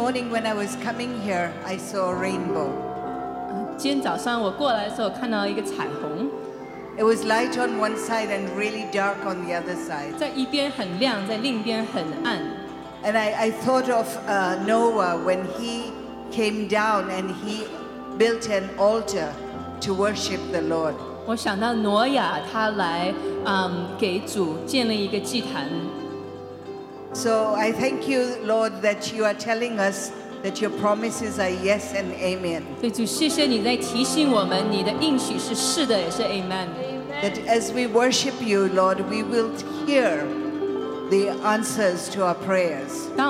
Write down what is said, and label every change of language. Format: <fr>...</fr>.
<en>When I was coming here, I saw a rainbow.</en> <zh>今天早上我过来的时候，看到一个彩虹。</zh> <en>It was light on one side and really dark on the other side.</en> <zh>在一边很亮，在另一边很暗。</zh> <en>And I thought of Noah when he came down and he built an altar to worship the Lord.</en> <zh>我想到挪亚，他来给主建立一个祭坛。</zh> <en>So I thank you, Lord, that you are telling us that your promises are yes and amen.</en> <zh>对主，谢谢你在提醒我们，你的应许是是的，也是amen.</zh> <en>That as we worship you, Lord, we will hear the answers to our prayers.</en>